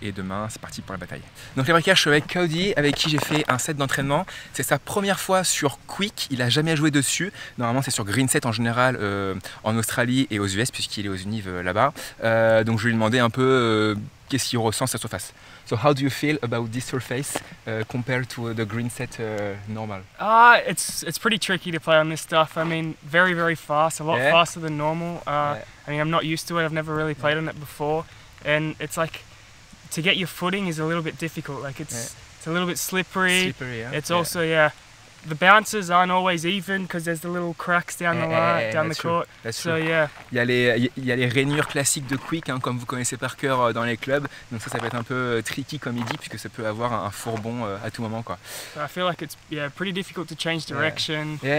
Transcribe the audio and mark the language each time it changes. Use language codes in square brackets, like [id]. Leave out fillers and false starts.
[fr] Et demain, c'est parti pour la bataille. Donc les Breakers, je suis avec Cody, avec qui j'ai fait un set d'entraînement. C'est sa première fois sur Quick, il n'a jamais joué dessus. Normalement, c'est sur Green Set en général, en Australie et aux US, puisqu'il est aux Unis là-bas. Donc je lui ai demandé un peu qu'est-ce qu'il ressent cette surface. [en] So how do you feel about this surface compared to the Green Set normal? It's pretty tricky to play on this stuff. I mean, very very fast, a lot faster than normal. I mean, I'm not used to it, I've never really played on it before. And it's like, to get your footing is a little bit difficult, like it's a little bit slippery. It's also the bounces aren't always even because there's the little cracks down the court. [fr] Il y a les rainures classiques de quick, hein, comme vous connaissez par cœur dans les clubs, donc ça peut être un peu tricky comme il dit, puisque ça peut avoir un fourbon à tout moment, quoi. [en] But I feel like it's pretty difficult to change direction.